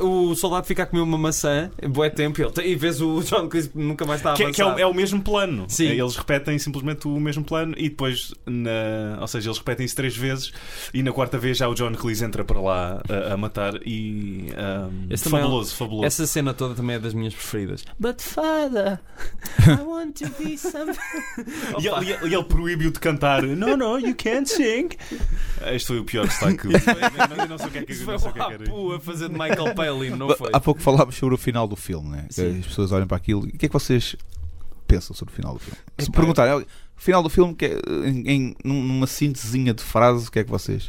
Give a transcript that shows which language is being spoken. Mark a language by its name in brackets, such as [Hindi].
[Portuguese] O soldado fica a comer uma maçã, bué tempo, e vês o John Cleese nunca mais está a avançar. Que é o mesmo plano. Eles repetem simplesmente o mesmo plano, e depois, ou seja, eles repetem isso três vezes, e na quarta vez já o John Cleese entra para lá a matar. E fabuloso, fabuloso. Essa cena toda também é das minhas preferidas. [English] But father, I want to be somebody. [Portuguese] E ele proíbe-o de cantar. [English] No, no, you can't sing. [Portuguese] Este foi o pior destaque. Eu não sei o que é que era. Foi o Apu a fazer de Michael Palin, não foi? Há pouco falávamos sobre o final do filme, né? As pessoas olham para aquilo. O que é que vocês pensam sobre o final do filme? Se perguntarem, final do filme, numa síntesezinha de frase, o que é que vocês...